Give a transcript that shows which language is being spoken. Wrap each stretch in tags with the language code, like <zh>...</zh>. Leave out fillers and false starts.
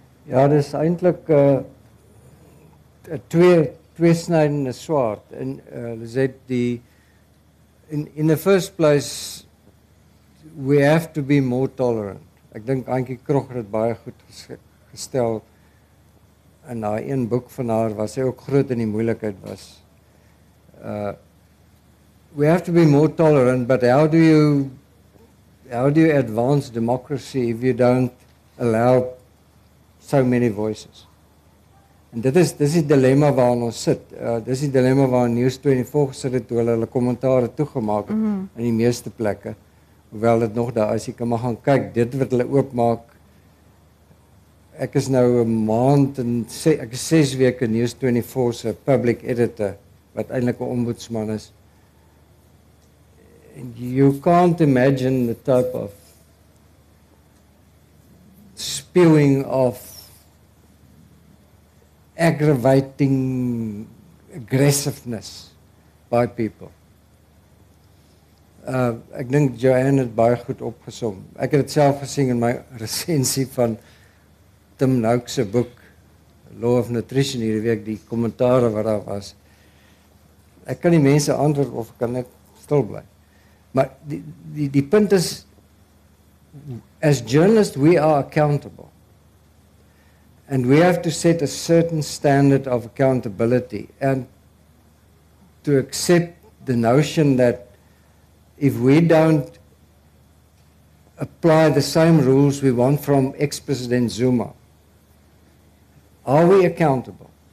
<af>Ja, dit is eintlik 'n twee snydende swaard.</af> <en>En Lizette, in the first place, we have to be more tolerant.</en> <af>Ek dink Antjie Krog het baie goed gestel. In haar een boek van haar was sy ook groot in die moeilikheid was.</af> <en>We have to be more tolerant, but how do you advance democracy if you don't allow so many voices?</en> <af>En dit is die dilemma waar ons sit. Dit is die dilemma waar News 24 sit het, toe hulle kommentare toegemaak het, in die meeste plekke. Hoewel dit nog daar is, jy kan maar gaan kyk, dit wat hulle oopmaak, ek is nou 'n maand en ek is 6 weke News 24 se public editor, wat eintlik 'n ombudsman is.</af> <en>And you can't imagine the type of spewing of aggravating aggressiveness by people.</en> <af>Ek dink Joanne het baie goed opgesom. Ek het dit self gesien in my resensie van Tim Nouk se boek Law of Nutrition hierdie week, die kommentare wat daar was. Ek kan die mense antwoord of kan ek stil bly. Maar die punt is,</af> <en>as journalists we are accountable. And we have to set a certain standard of accountability and to accept the notion that if we don't apply the same rules we want from ex-president Zuma, are we accountable?</en>